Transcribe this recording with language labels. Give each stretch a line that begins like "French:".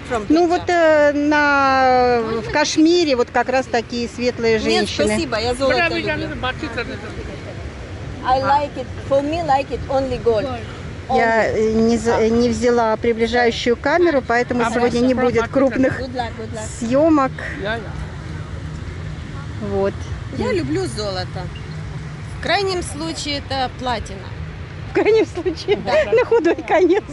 Russian: Ну вот в Кашмире вот как раз такие светлые женщины. Нет, спасибо, я золото люблю.
English: I like it, for me like it only gold.
Russian: Я не взяла приближающую камеру, поэтому сегодня не будет крупных съемок. Вот. Я люблю золото. В крайнем случае это платина. В крайнем случае, да, на худой конец.